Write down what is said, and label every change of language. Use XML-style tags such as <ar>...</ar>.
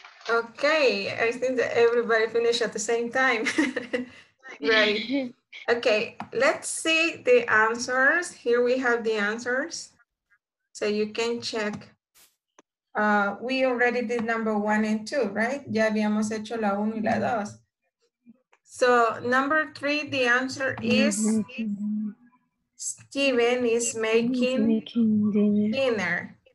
<en>Okay, I think that everybody finished at the same time. Right. Okay, let's see the answers. Here we have the answers. So you can check. We already did number one and two, right?</en> <es>Ya habíamos hecho la uno y la dos.</es> <en>So number three, the answer is Steven is making dinner.</en>